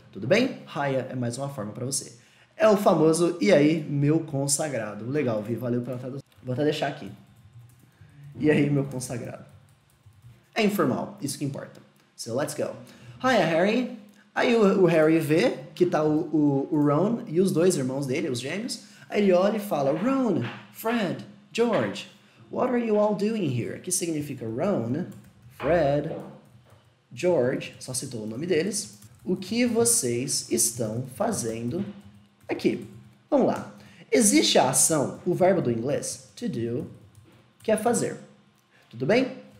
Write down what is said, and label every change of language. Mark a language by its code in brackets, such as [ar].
[pt] Tudo bem? "Hiya" é mais uma forma para você. É o famoso "e aí, meu consagrado". Legal, Vi, valeu pela tradução. Vou até deixar aqui. "E aí, meu consagrado". É informal, isso que importa. [en] So, let's go. "Hiya, Harry." [pt] Aí o Harry vê que tá o Ron e os dois irmãos dele, os gêmeos. Aí ele olha e fala, [en] "Ron, Fred, George, what are you all doing here?" [pt] Que significa "Ron, Fred, George", só citou o nome deles, "o que vocês estão fazendo aqui?" Vamos lá. Existe a ação, o verbo do inglês, to do, que é fazer. Tudo bem?